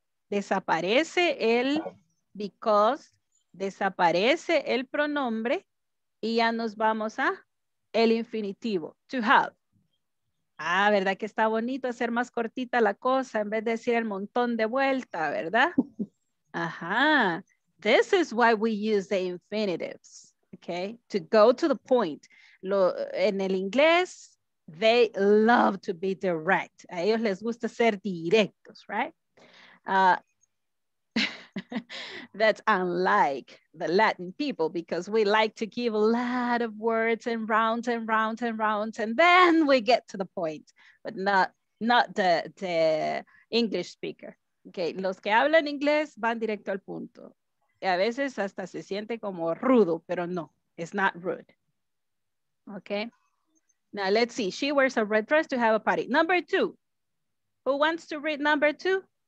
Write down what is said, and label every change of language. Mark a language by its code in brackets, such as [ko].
[es] Desaparece el because, desaparece el pronombre y ya nos vamos a el infinitivo, [en] to have. [es] Ah, ¿verdad que está bonito hacer más cortita la cosa en vez de decir el montón de vuelta, verdad? [en] Ajá, this is why we use the infinitives, okay? To go to the point. [es] En el inglés, [en] they love to be direct. [es] A ellos les gusta ser directos, right? [en] That's unlike the Latin people because we like to give a lot of words and rounds and rounds and rounds and then we get to the point, but not the English speaker. [es] Okay, los que hablan inglés van directo al punto. Y a veces hasta se siente como rudo, pero no, [en] it's not rude. Okay, now let's see. She wears a red dress to have a party. Number two. Who wants to read number two?